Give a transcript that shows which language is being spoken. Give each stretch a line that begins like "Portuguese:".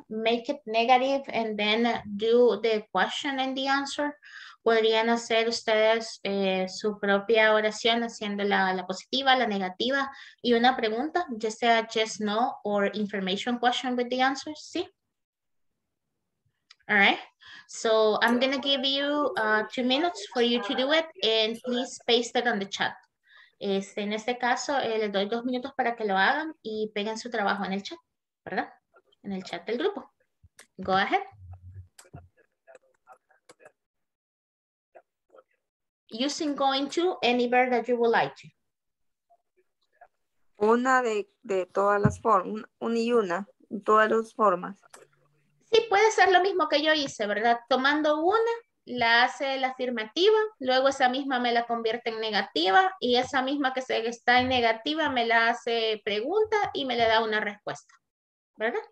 English: Make it negative and then do the question and the answer.
Spanish: ¿Podrían hacer ustedes su propia oración haciendo la positiva, la negativa y una pregunta? Ya sea
English: yes, no, or information question with the answer. ¿Sí? All right. So I'm going to give you 2 minutes for you to do it and please paste it on the chat.
Spanish: En este caso, les doy 2 minutos para que lo hagan y peguen su trabajo en el chat, ¿verdad? En el chat del grupo.
English: Go ahead. Using going to any verb that you would like to.
Spanish: Una de todas las formas, una y una, todas las formas. Sí, puede ser lo mismo que yo hice, ¿verdad? Tomando una, la hace la afirmativa, luego esa misma me la convierte en negativa y esa misma que se está en negativa me la hace pregunta y me le da una respuesta, ¿verdad?